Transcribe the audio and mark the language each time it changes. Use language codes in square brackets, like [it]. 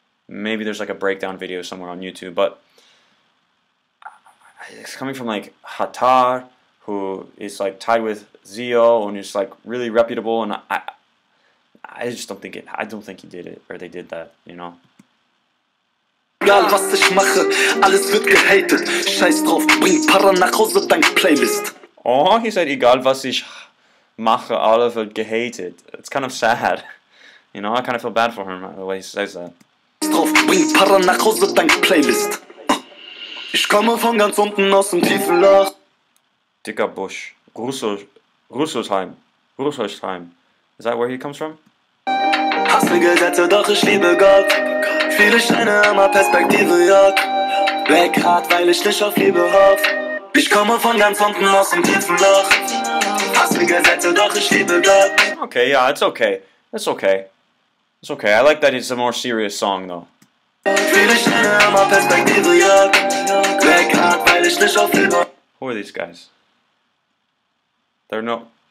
[en] Maybe there's like a breakdown video somewhere on YouTube, but it's coming from like Hatar, who is like tied with Zio and is like really reputable, and I just don't think he did it or they did that, you know. [de] Egal was ich mache, alles wird gehatet. Scheiß drauf, bring Para nach Hause, dank Playlist. [en] Oh, he said [de] egal was ich mache, alles wird gehatet. [en] It's kind of sad, you know. I kind of feel bad for him the way he says that. [de] Bring Para nach Hause, dank Playlist. Ich komme von ganz unten aus dem tiefen Loch. [en] Dicker Busch. Russelsheim. Is that where he comes from? [de] Hasse Gesetze, doch ich liebe Gott. Viele Scheine, immer Perspektive, ja. Weg hart, weil ich dich auf Liebe hoff. Ich komme von ganz unten aus dem tiefen Loch. Hasse Gesetze, doch ich liebe Gott. [en] Okay, ja, yeah, it's okay. It's okay, I like that it's a more serious song, though. Who are these guys? They're no...